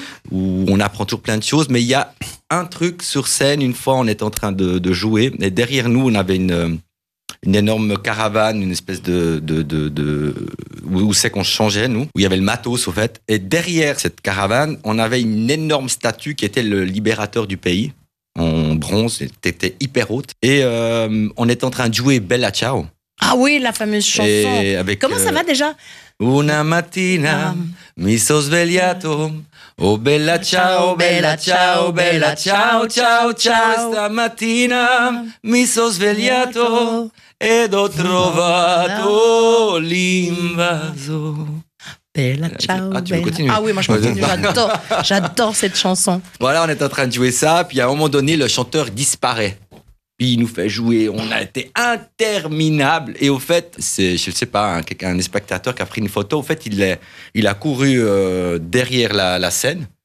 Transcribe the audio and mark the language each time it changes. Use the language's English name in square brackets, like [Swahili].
[French] où on apprend toujours plein de choses, mais il y a un truc sur scène, une fois on est en train de jouer, et derrière nous on avait une énorme caravane, une espèce de où c'est qu'on changeait nous, où il y avait le matos au fait, et derrière cette caravane, on avait une énorme statue qui était le libérateur du pays, en bronze, était hyper haute, et on est en train de jouer Bella Ciao. Ah oui, la fameuse chanson, avec, comment ça va déjà? [Italian] Una mattina mi sono svegliato. Oh bella ciao, bella ciao, bella ciao, ciao, ciao. Stamattina mi sono svegliato ed ho trovato l'invaso. Bella ciao. [French] Ah, tu veux continuer? Ah oui, moi je continue. J'adore cette chanson. Voilà, on est en train de jouer ça. Puis à un moment donné, le chanteur disparaît. Puis il nous fait jouer, on a été interminable. Et au fait, c'est, je ne sais pas, un spectateur qui a pris une photo, au fait, il a couru derrière la scène.